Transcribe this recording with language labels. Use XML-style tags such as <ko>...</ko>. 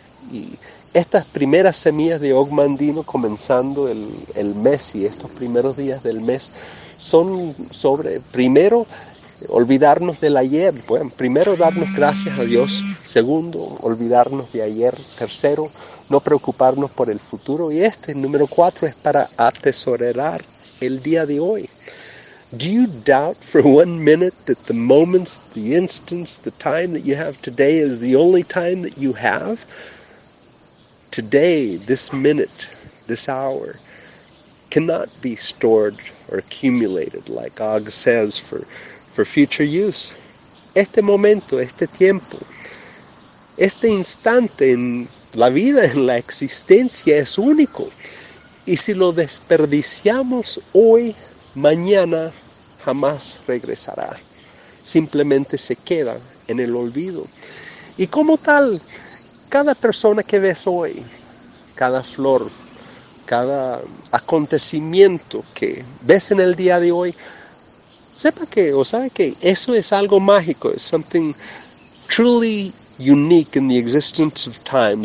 <es>Y estas primeras semillas de Ogmandino comenzando el mes y estos primeros días del mes son sobre, primero, olvidarnos del ayer. Bueno, primero, darnos gracias a Dios. Segundo, olvidarnos de ayer. Tercero, no preocuparnos por el futuro. Y este, número 4, es para atesorar el día de hoy.</es> <en>Do you doubt for one minute that the moments, the instants, the time that you have today is the only time that you have? Today, this minute, this hour, cannot be stored or accumulated, like Og says, for future use.</en> <es>Este momento, este tiempo, este instante en la vida, en la existencia, es único. Y si lo desperdiciamos hoy, mañana jamás regresará. Simplemente se queda en el olvido. Y como tal, cada persona que ves hoy, cada flor, cada acontecimiento que ves en el día de hoy, sepa que, o sabe que, eso es algo mágico.</es> <en>It's something truly unique in the existence of time.</en>